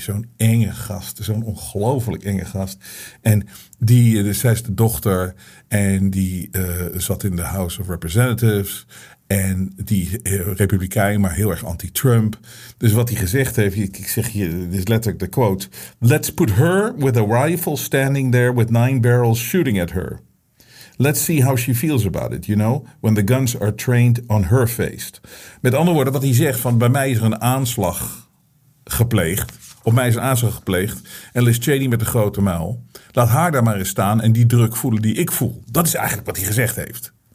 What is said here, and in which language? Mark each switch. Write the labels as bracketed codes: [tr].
[nl] Zo'n enge gast. Zo'n ongelooflijk enge gast. En die, dus zij is de dochter. En die zat in de House of Representatives. En die Republikein, maar heel erg anti-Trump. Dus wat hij gezegd heeft, ik zeg hier, dit is letterlijk de quote. [en] Let's put her with a rifle standing there with 9 barrels shooting at her. Let's see how she feels about it, you know, when the guns are trained on her face. [nl] Met andere woorden, wat hij zegt, van bij mij is er een aanslag gepleegd. Op mij is een aanslag gepleegd. En Liz Cheney met een grote muil. Laat haar daar maar eens staan en die druk voelen die ik voel. Dat is eigenlijk wat hij gezegd heeft.